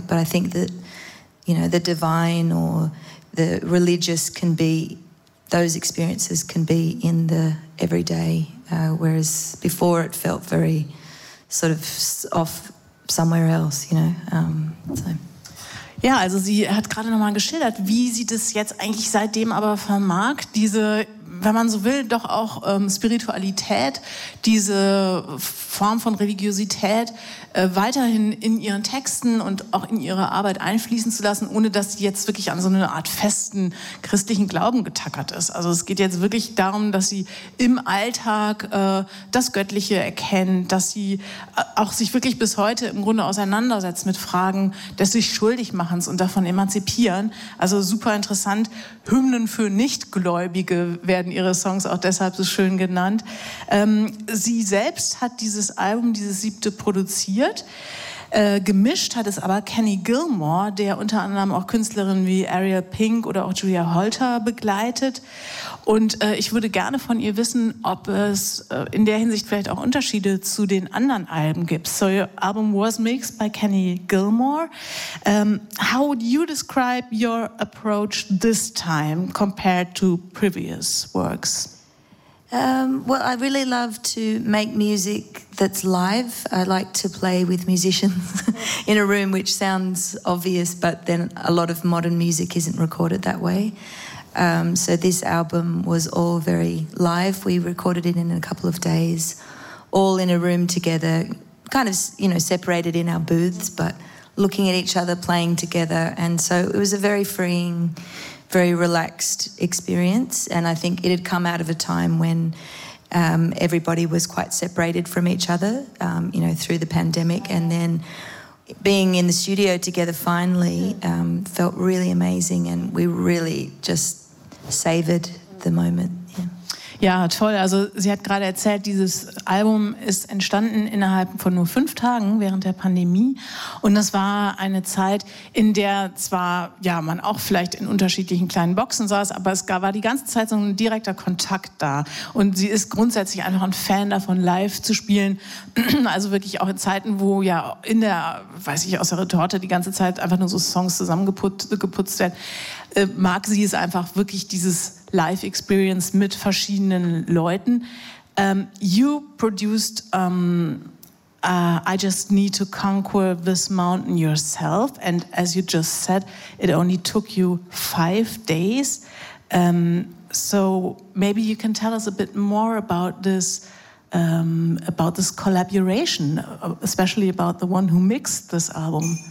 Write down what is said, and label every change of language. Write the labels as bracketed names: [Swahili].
[English] But I think that, you know, the divine or the religious can be, those experiences can be in the everyday, whereas before it felt very sort of off somewhere else, you know. [German] Ja, also sie hat gerade nochmal geschildert, wie sie das jetzt eigentlich seitdem aber vermag, diese, wenn man so will, doch auch Spiritualität, diese Form von Religiosität weiterhin in ihren Texten und auch in ihre Arbeit einfließen zu lassen, ohne dass sie jetzt wirklich an so eine Art festen christlichen Glauben getackert ist. Also es geht jetzt wirklich darum, dass sie im Alltag das Göttliche erkennt, dass sie auch sich wirklich bis heute im Grunde auseinandersetzt mit Fragen des sich Schuldigmachens und davon emanzipieren. Also super interessant. Hymnen für Nichtgläubige werden ihre Songs auch deshalb so schön genannt. Sie selbst hat dieses Album, dieses siebte, produziert. Gemischt hat es aber Kenny Gilmore, der unter anderem auch Künstlerinnen wie Ariel Pink oder auch Julia Holter begleitet. Und ich würde gerne von ihr wissen, ob es in der Hinsicht vielleicht auch Unterschiede zu den anderen Alben gibt. [English] So, your album was mixed by Kenny Gilmore. How would you describe your approach this time compared to previous works? Well, I really love to make music that's live. I like to play with musicians in a room, which sounds obvious, but then a lot of modern music isn't recorded that way. So this album was all very live. We recorded it in a couple of days, all in a room together, kind of, you know, separated in our booths, but looking at each other, playing together. And so it was a very freeing, very relaxed experience. And I think it had come out of a time when everybody was quite separated from each other, you know, through the pandemic. And then being in the studio together finally felt really amazing. And we really just savored the moment. [German] Ja, toll. Also sie hat gerade erzählt, dieses Album ist entstanden innerhalb von nur 5 Tagen während der Pandemie. Und das war eine Zeit, in der zwar, ja, man auch vielleicht in unterschiedlichen kleinen Boxen saß, aber es war die ganze Zeit so ein direkter Kontakt da. Und sie ist grundsätzlich einfach ein Fan davon, live zu spielen. Also wirklich auch in Zeiten, wo ja in der, weiß ich, aus der Retorte die ganze Zeit einfach nur so Songs zusammengeputzt werden, mag sie es einfach wirklich, dieses Live Experience mit verschiedenen Leuten. [English] You produced I Just Need to Conquer This Mountain Yourself, and as you just said, it only took you 5 days. So maybe you can tell us a bit more about this collaboration, especially about the one who mixed this album.